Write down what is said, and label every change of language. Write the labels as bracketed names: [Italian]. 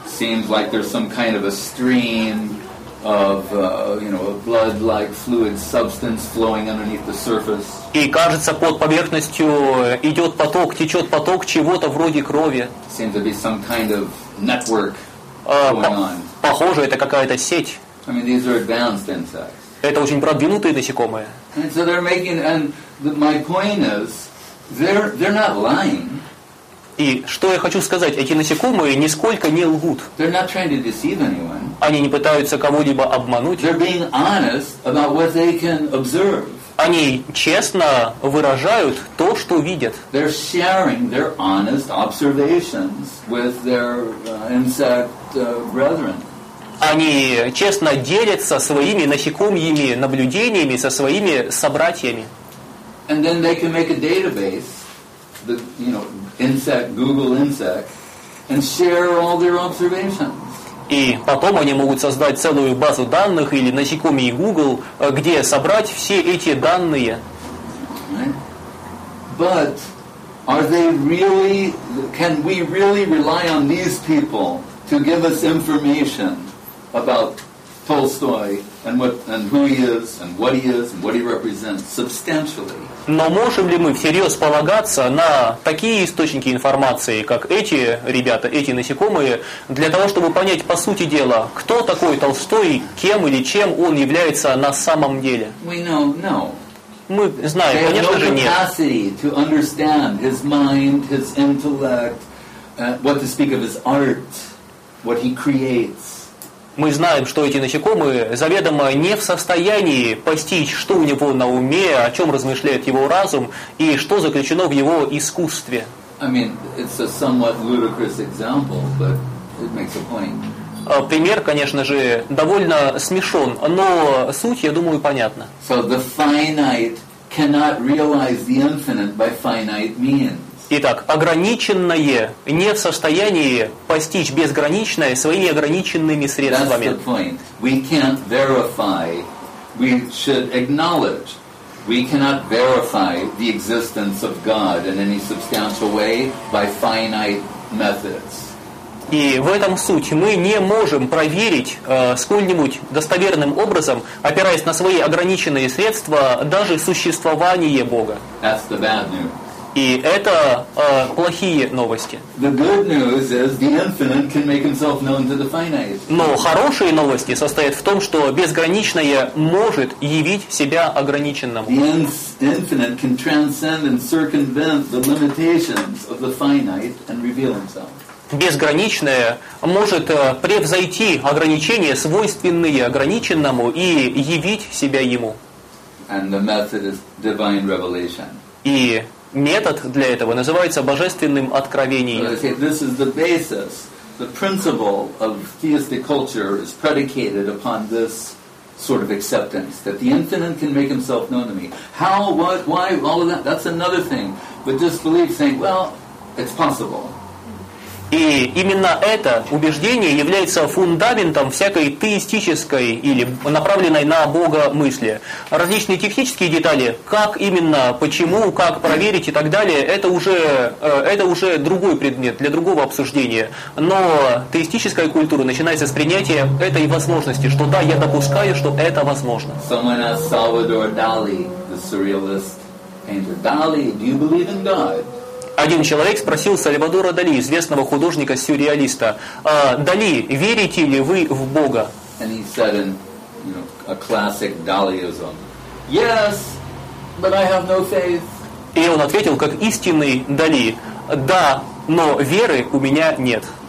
[English] Seems like there's some kind of a stream of a blood-like fluid substance flowing underneath the surface. [Russian] И кажется, под поверхностью идет поток, течет поток чего-то вроде крови. [English] Seems to be some kind of network going on. [Russian] Похоже, это какая-то сеть. [English] I mean, these are advanced insects. [Russian] Это очень продвинутые насекомые. [English] And so they're making, and my point is, they're not lying. [Russian] И что я хочу сказать, эти насекомые нисколько не лгут. [English] They're not trying to deceive anyone. [Russian] Они не пытаются кого-либо обмануть. [English] They're being honest about what they can observe. [Russian] Они честно выражают то, что видят. [English] They're sharing their honest observations with their insect brethren. [Russian] Они честно делятся своими насекомьими наблюдениями со своими собратьями. [English] And then they can make a database, the insect, Google insect, and share all their observations. [Russian] И потом они могут создать целую базу данных или насекомые Google, где собрать все эти данные. [English] But are they really, can we really rely on these people to give us information about Tolstoy and what and who he is and what he is and what he represents substantially? [Russian] Но можем ли мы всерьез полагаться на такие источники информации, как эти ребята, эти насекомые, для того, чтобы понять по сути дела, кто такой Толстой, кем или чем он является на самом деле? [English] We know, no. [Russian] Мы знаем, [English] they [Russian] конечно же, нет. [English] They have no capacity to understand his mind, his intellect, what to speak of his art, what he creates. [Russian] Мы знаем, что эти насекомые заведомо не в состоянии постичь, что у него на уме, о чем размышляет его разум и что заключено в его искусстве. [English] I mean, it's a somewhat ludicrous example, but it makes a point. [Russian] Пример, конечно же, довольно смешон, но суть, я думаю, понятна. [English] So the finite cannot realize the infinite by finite means. [Russian] Итак, ограниченное не в состоянии постичь безграничное своими ограниченными средствами. [English] That's the point. We can't verify. We should acknowledge. We cannot verify the existence of God in any substantial way by finite methods. [Russian] И в этом суть. Мы не можем проверить сколь-нибудь достоверным образом, опираясь на свои ограниченные средства, даже существование Бога. [English] That's the bad news. [Russian] И это плохие новости. [English] The good news is the infinite can make himself known to the finite. [Russian] Но хорошие новости состоят в том, что безграничное может явить себя ограниченным. [English] The infinite can transcend and circumvent the limitations of the finite and reveal himself. [Russian] Безграничное может превзойти ограничения, свойственные ограниченному, и явить себя ему. [English] And the method is divine revelation. [Russian] И метод для этого называется божественным откровением. [English] So this is the basis. The principle of theistic culture is predicated upon this sort of acceptance that the infinite can make himself known to me. How, what, why, all of that, that's another thing. But just belief saying, well, it's possible. [Russian] И именно это убеждение является фундаментом всякой теистической или направленной на Бога мысли. Различные технические детали, как именно, почему, как проверить и так далее, это уже другой предмет для другого обсуждения. Но теистическая культура начинается с принятия этой возможности, что да, я допускаю, что это возможно. [English] Someone asked Salvador Dali, the surrealist painter. Dali, do you believe in God? [Russian] Один человек спросил Сальвадора Дали, известного художника-сюрреалиста, «Дали, верите ли вы в Бога?» [English] And he said in, you know, a classic Dalism, «Yes, but I have no faith». [Russian] И он ответил, как истинный Дали, «Да, но веры у меня нет».